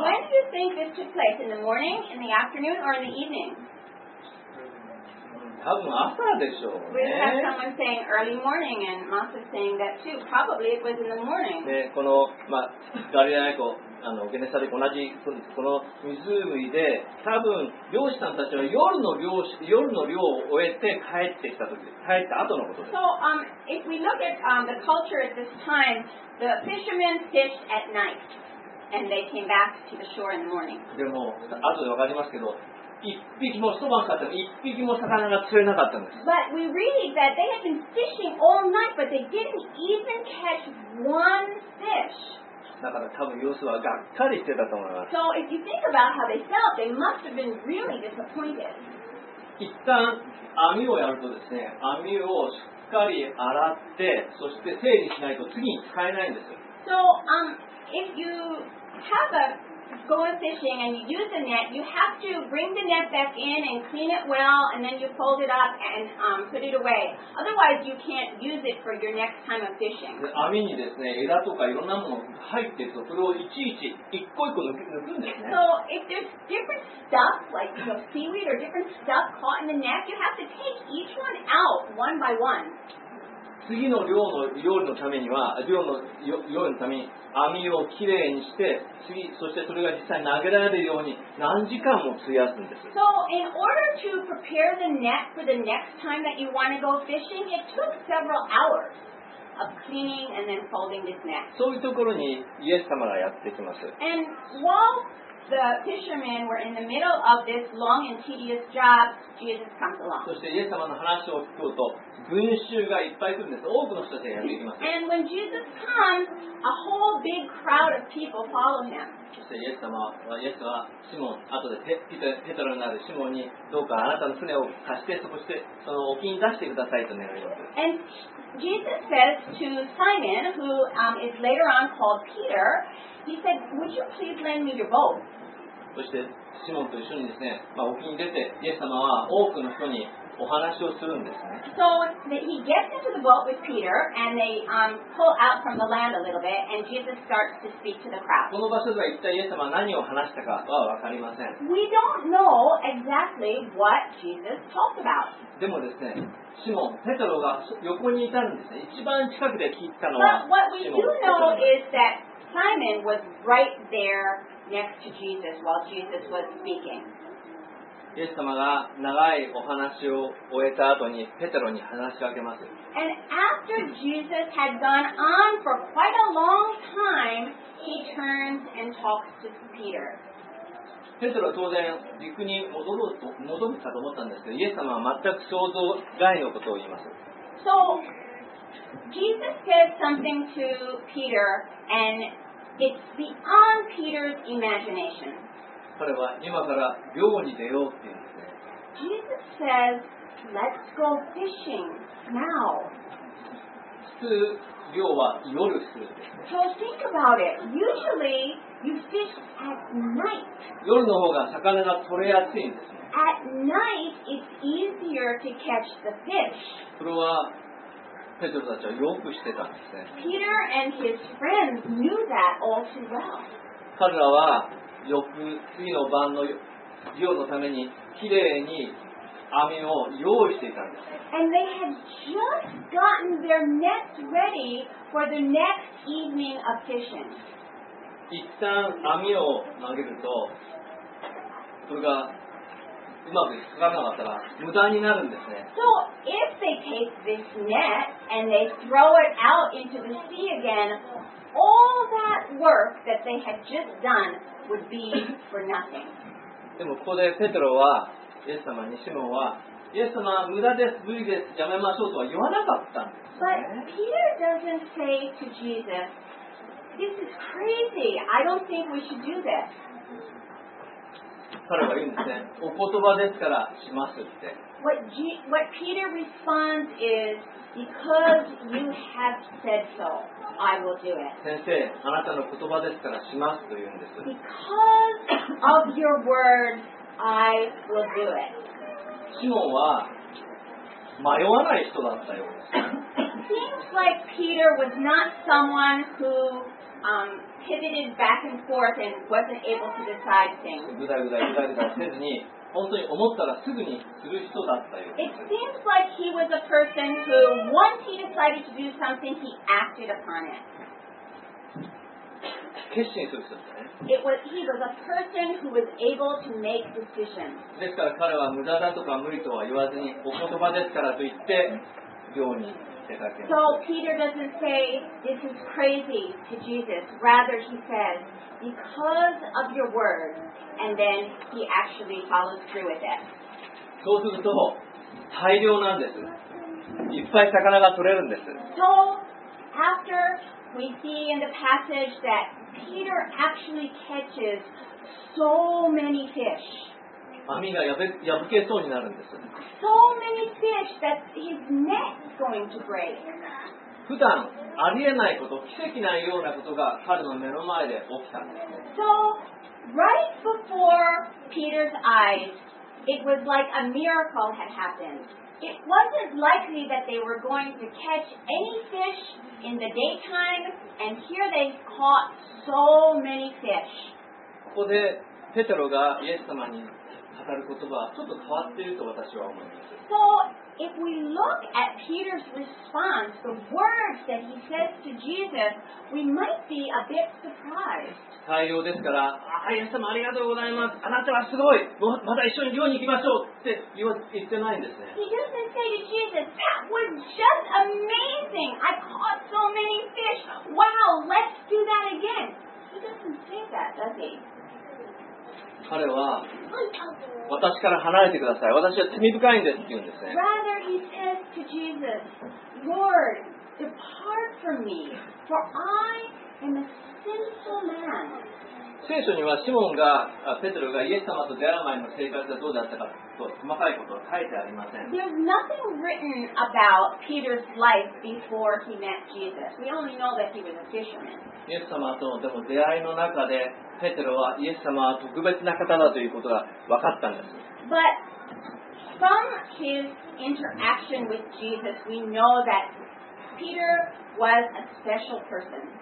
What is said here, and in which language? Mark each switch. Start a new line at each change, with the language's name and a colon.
English: When do you think this took place? In the morning, in the afternoon, or in the evening?
Japanese: 多分朝でしょうね。
English: We have someone saying early morning, and Masa saying that too. Probably it was in the morning.
Japanese: この、まあ、ガリラヤ湖ゲネサレ、同じこの湖で多分漁師さんたちは夜の漁を終えて帰ってきた時、帰った後のことです。
English: So, if we look at, the culture at this time, the fishermen fished at night and they came back to the shore in the morning.
Japanese: でも後で分かりますけど、一匹も一晩かかっても一匹も魚が釣れなかったんです。
English: But we read that they had been fishing all night, but they didn't even catch one fish.
Japanese: だから多分様子はがっかりしてたと思います。
English: So if you think about how they felt, they must have been really disappointed.
Japanese: 一旦網をやるとですね、網をしっかり洗って、そして整理しないと次に使えないんですよ。
English: So, if you have a go fishing and you use a net, you have to bring the net back in and clean it well, and then you fold it up and, put it away. Otherwise, you can't use it for your next time of fishing.
Japanese: 網にですね、枝とかいろんなもの入ってると、それをいちいち一個一個抜くんですね。
English: So if there's different stuff, like you know, seaweed or different stuff caught in the net, you have to take each one out one by one.
Japanese: 次の漁の料理のためには、漁の料理のために網をきれいにして、次、そしてそれが実際投げられるように何時間も費やすんです。
English: So in order to prepare the net for the next time that you want to go fishing, it took several hours of cleaning and then folding this net.
Japanese: そういうところにイエス様がやってきます。
English: And while the fishermen were in the middle of this long and tedious job, Jesus comes along.
Japanese: そしてイエス様の話を聞くと、群衆がいっぱい来るんです。多くの人たちがやってきます。
English: And when Jesus comes, a whole big crowd of people follow him.
Japanese: そしてイエスはシモン、後でペトロになるシモンに、どうかあなたの船を貸して、そしてその沖に出してくださいと願います。
English: And Jesus says to Simon, who, is later on called Peter, he said, "Would you please lend me your boat?"
Japanese: そしてシモンと一緒にですね、まあ、沖に出て、イエス様は多くの人にお話をするんですね。
English: So he gets into the boat with Peter and they, pull out from the land a little bit and Jesus starts to speak to the crowd.
Japanese: この場所では一体イエス様は何を話したかは分かりません。
English: We don't know exactly what Jesus talked about.
Japanese: でもですね、シモン、ペトロが横にいたんですね。一番近くで聞いたのは。
English: But what we do know is that Simon was right there next to Jesus while Jesus was speaking.
Japanese: イエス様が長いお話を終えた後にペテロに話しかけます。
English: And after Jesus had gone on for quite a long time, he turns and talks to Peter.
Japanese: ペテロは当然陸に戻るかと思ったんですけど、イエス様は全く想像外のことを言います。
English: So Jesus says something to Peter, and it's beyond Peter's imagination.
Japanese: 彼は今から漁に出ようって言うんですね。
English: Jesus says, "Let's go fishing now."
Japanese: 普通漁は夜するんです、ね。
English: So think about it. Usually, you fish at night.
Japanese: 夜の方が魚が取れやすいんです、ね。
English: At night, it's easier to catch the fish.
Japanese: それはペトロたちはよく知ってたんですね。
English: Peter and his friends knew that all too well.
Japanese: 彼らは次の晩の漁のためにきれいに網を用意していたんです。
English: And they had just gotten their nets ready for the next evening of fishing.
Japanese: 一旦網を投げるとそれがうまく引っかからなかったら無駄になるんですね。
English: So if they take this net and they throw it out into the sea again, all that work that they had just done. Would be for nothing.
Japanese: でもここでペテロはイエス様にシモンはイエス様無駄です無理ですやめましょうとは言わなかったんです、ね、
English: But Peter doesn't say to Jesus, This is crazy. I don't think we should do this.
Japanese: 彼は言うんですね。お言葉ですからしますって。
English: What Peter responds is, because you have said so, I will do it.
Japanese: 先生、あなたの言葉ですからしますと言うんです。
English: Because of your word, I will do it.
Japanese: シモンは迷わない人だったようです。
English: Seems like Peter was not someone who pivoted back and forth and wasn't able to decide things.
Japanese: ぐだぐだぐだぐだせずに本当に思ったらすぐにする人だったよ。
English: It seems like he was a person who, once he decided to do something, he acted upon it.
Japanese: 決心する人ですね。
English: He was a person who was able to make decisions.
Japanese: ですから彼は無駄だとか無理とは言わずに、お言葉ですからと言って行に。
English: So Peter doesn't say this is crazy to Jesus. Rather, he says because of your word, and then he actually follows through with it.
Japanese: そうすると大量なんです。いっぱい魚が取れるんです。
English: So after we see in the passage that Peter actually catches so many fish.
Japanese: 網が破けそうになるんです。
English: So many fish that his net is going to break.
Japanese: 普段ありえないこと、奇跡ないようなことが彼の目の前で起きたんです。
English: So right before Peter's eyes, it was like a miracle had happened. It wasn't likely that they were going to catch any fish in the daytime, and here they caught so many fish.
Japanese: ここでペテロがイエス様に語る言葉はちょっと変わっていると私は思います。
English: So if we look at Peter's response, the words that he says to Jesus, we might be a bit surprised.
Japanese: 対応ですから、あ、イエス様ありがとうございます。あなたはすごい。また一緒に漁に行きましょうって言ってないんですね。
English: He doesn't say to Jesus, "That was just amazing. I caught so many fish. Wow, let's do that again." He doesn't say that, does he?
Japanese: 彼は私から離れてください。私は罪深いんですって言うんですね。
English: Rather, he says to Jesus, Lord, depart from me, for I am a sinful man.
Japanese: 聖書にはシモンが、ペテロがイエス様と出会う前の生活がどうだったかと細かいことは書いてありません。
English: There's nothing written about Peter's life before he met Jesus. We only know that he was a fisherman.
Japanese: イエス様とでも出会いの中でペテロはイエス様は特別な方だということが分かったんです。
English: But from his interaction with Jesus, we know that Peter was a special person.